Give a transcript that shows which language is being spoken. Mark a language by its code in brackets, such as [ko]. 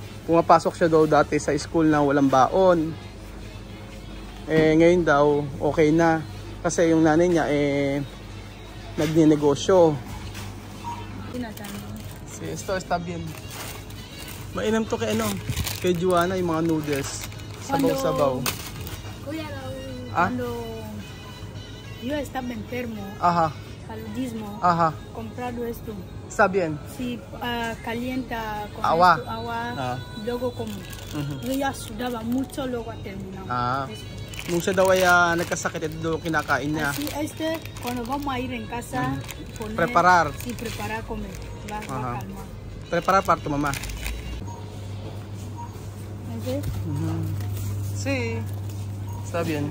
[tl] Pumapasok siya daw dati sa school na walang baon. Eh ngayon daw okay na kasi yung nanay niya eh nagninegosyo. [es] Si esto está bien. [tl] Mainam to kay ano? Kay Juana yung mga noodles. Sabaw-sabaw. [es] Kuya Raul, cuando yo estaba enfermo. Aha. Paludismo. Aha. Comprado esto. Está bien. Si calienta con agua, esto, agua luego como. Uh-huh. Yo ya sudaba mucho luego a terminar. Ah. [tl] Nung siya daw ay nagkasakit at doon kinakain niya. [es] Si este, kung vamos a ir en casa, poner, preparar. Si preparar, comer. Va, uh-huh. Calma. Preparar para tu mamá. ¿Este? Uh-huh. Si. Sí. Está bien.